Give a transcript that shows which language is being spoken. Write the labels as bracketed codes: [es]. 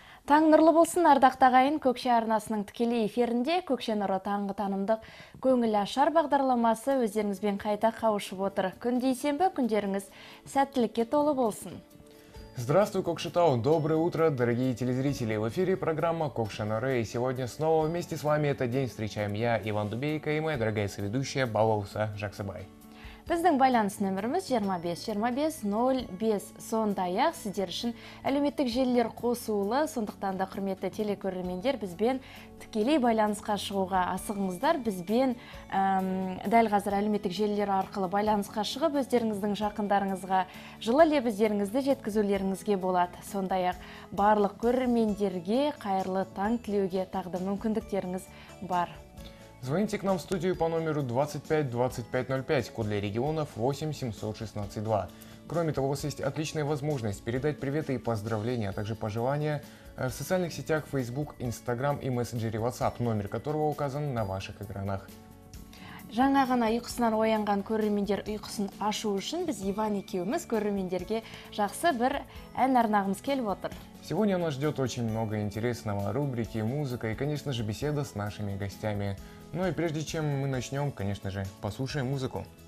[kk] Таң нұрлы болсын, ардақты ағайын. Көкше арнасының тікелей эфирінде Көкше нұры таңғы танымдық көңіл ашар бағдарламасы өздеріңізбен қайта қауышып отыр. Күнде сенбі, күндеріңіз сәттілікке толы болсын. [ru] Здравствуй, Кокшетау! Доброе утро, дорогие телезрители! В эфире программа «Кокша Норе», и сегодня снова вместе с вами этот день встречаем я, Иван Дубейко, и моя дорогая соведущая Балауса Жаксыбай. [kk] Біздің байланыс нөміріміз 25-25-05, сондай-ақ сіздер үшін әлеуметтік желілер қосулы, сондықтан да құрметті телекөрермендер, бізбен тікелей байланысқа шығуға асығыңыздар. Бізбен дәл қазір әлеуметтік желілер арқылы байланысқа шығып, өздеріңіздің жақындарыңызға жылы лебіздеріңізді жеткізулеріңізге болады. Сондай-ақ барлық көрермендерге қайырлы таң тілеуге тағы да мүмкіндіктеріңіз бар. [ru] Звоните к нам в студию по номеру 252505, код для регионов 87162. Кроме того, у вас есть отличная возможность передать приветы и поздравления, а также пожелания в социальных сетях Facebook, Instagram и мессенджере WhatsApp, номер которого указан на ваших экранах. [kk] Жаңа ғана ұйқысынан оянған көрермендер ұйқысын ашу үшін біз Иван екеуміз көрермендерге жақсы бір ән арнағымыз келіп отыр. [ru] Сегодня нас ждет очень много интересного: рубрики, музыка и, конечно же, беседа с нашими гостями. Ну и прежде чем мы начнем, конечно же, послушаем музыку.